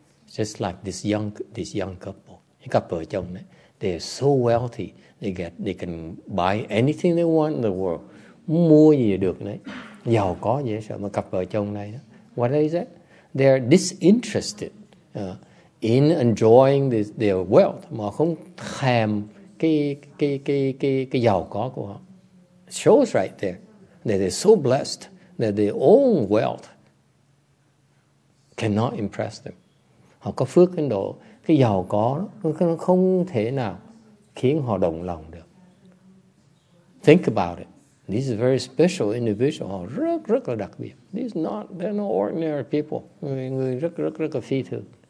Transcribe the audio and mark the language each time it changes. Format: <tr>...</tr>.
<en>Just like this young couple,</en> <vi>cái cặp vợ chồng đấy,</vi> <en>they're so wealthy, they can buy anything they want in the world,</en> <vi>mua gì được đấy, giàu có dễ sợ. Mà cặp vợ chồng này đó,</vi> <en>what is that? They're disinterested in enjoying their wealth,</en> <vi>mà không thèm cái giàu có của họ.</vi> <en>Shows right there that they're so blessed that their own wealth cannot impress them.</en> <vi>Họ có phước đến độ cái giàu có nó không thể nào khiến họ động lòng được.</vi> <en>Think about it. These are very special individuals.</en> <vi>Họ rất rất là đặc biệt.</vi> <en>They're not ordinary people.</en> <vi>Người rất rất rất là phi thường.</vi>